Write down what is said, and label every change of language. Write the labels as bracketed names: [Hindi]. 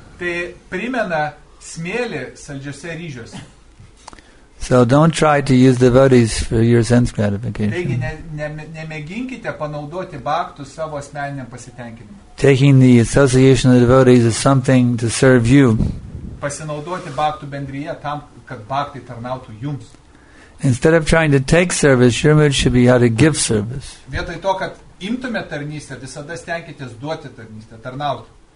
[Lithuanian] Tai primena smėlį saldžiose ryžiuose. [English] So don't try to use devotees for your sense gratification. [Lithuanian] Taigi nemėginkite panaudoti baktus savo asmeniniam pasitenkinimui. [English] Taking the association of the devotees is something to serve you. [Lithuanian] Pasinaudoti baktų bendryje tam, kad baktai tarnautų jums. [English] Instead of trying to take service, your mood should be how to give service. [Lithuanian] Vietoj to, kad imtumėt tarnystę, visada stenkitės duoti tarnystę, tarnauti.